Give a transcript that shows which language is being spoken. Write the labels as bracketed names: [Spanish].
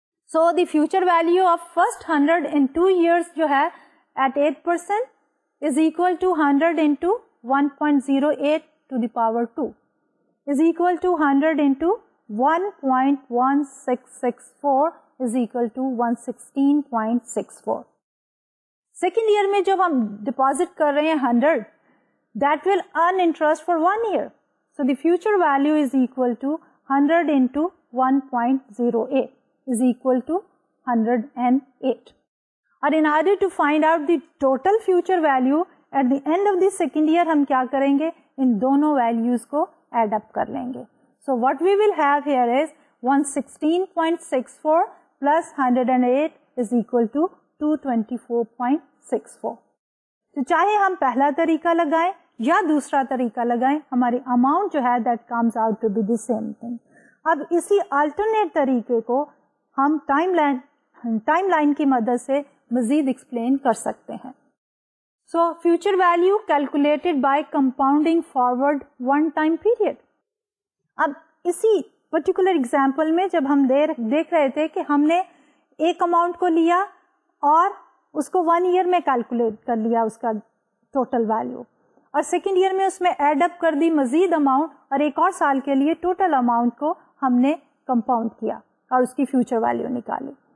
[English] so the future value of first 100 in 2 years [Hindi] जो है [English] At 8% is equal to 100 into 1.08 to the power 2 is equal to 100 into 1.1664 is equal to 116.64. [Hindi] Second year में जब हम deposit कर रहे हैं 100, [English] That will earn interest for 1 year. So the future value is equal to 100 into 1.08 is equal to 108. And in order to find out the total future value at the end of the second year, [Hindi] hum kya karenge? In dono values ko add up kar lenge. [English] So what we will have here is 116.64 plus 108 is equal to 224.64. [Hindi] So chahe hum pehla tarika lagaye या दूसरा तरीका लगाएं, हमारी amount जो है that comes out to be the same thing. अब इसी alternate तरीके को हम टाइमलाइन की मदद से मजीद एक्सप्लेन कर सकते हैं. [English] So future value calculated by compounding forward 1 time period. [Hindi] अब इसी पर्टिकुलर एग्जांपल में जब हम देख रहे थे कि हमने एक अमाउंट को लिया और उसको 1 year में कैलकुलेट कर लिया उसका टोटल वैल्यू, और सेकेंड ईयर में उसमें एड अप कर दी मजीद अमाउंट, और एक और साल के लिए टोटल अमाउंट को हमने कंपाउंड किया और उसकी फ्यूचर वैल्यू निकाली.